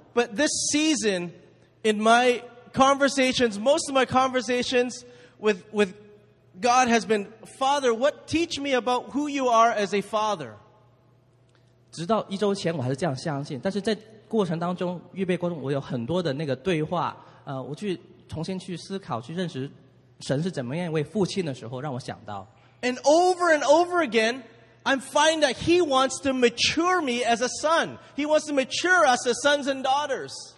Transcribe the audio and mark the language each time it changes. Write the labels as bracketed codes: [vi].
[en] But this season, in my conversations, most of my conversations with God has been, Father, what teach me about who you are as a father? [zh] 直到一周前我还是这样相信,但是在过程当中,预备过程,我有很多的那个对话,我去重新去思考,去认识神是怎么样一位父亲的时候,让我想到。 [en] And over and over again, I find that he wants to mature me as a son. He wants to mature us as sons and daughters.